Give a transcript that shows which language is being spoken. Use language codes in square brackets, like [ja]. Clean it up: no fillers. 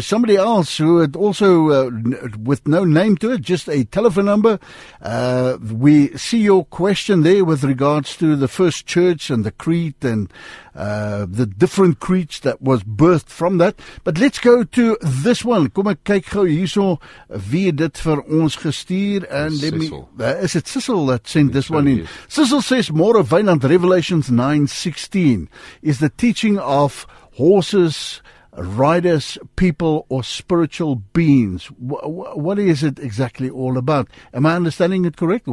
[en] Somebody else who had also, with no name to it, just a telephone number. We see your question there with regards to the first church and the creed and the different creeds that was birthed from that. But let's go to this one. [af] Kom ek kyk gou hierso wie dit vir ons gestuur. [en] And Cecil. Is it Cecil that sent this one in? Yes. Cecil says, more of Wynand, Revelations 9:16 is the teaching of horses riders, people, or spiritual beings. What is it exactly all about? Am I understanding it correctly?